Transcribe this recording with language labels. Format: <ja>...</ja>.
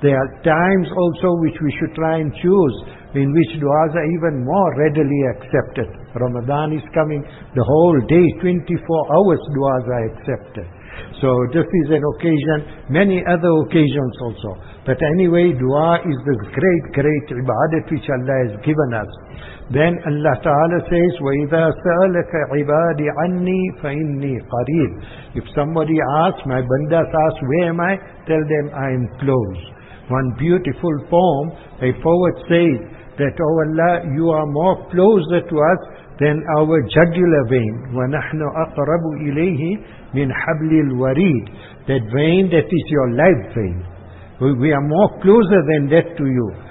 <en>There are times also which we should try and choose in which du'as are even more readily accepted. Ramadan is coming, the whole day, 24 hours du'as are accepted. So this is an occasion, many other occasions also. But anyway, du'a is the great, great ibadat which Allah has given us. Then Allah Ta'ala says,</en> <ar>وَإِذَا سَأَلَكَ عِبَادِ عَنِّي فَإِنِّي قَرِيبٌ.</ar> <en>If somebody asks, my bandas ask, where am I? Tell them, I am close. One beautiful poem, a poet says that, O Allah, you are more closer to us than our jugular vein.</en> <ar>وَنَحْنُ أَقْرَبُ إِلَيْهِ مِنْ حَبْلِ الْوَرِيدِ.</ar> <en>That vein, that is your life vein. We are more closer than that to you.</en>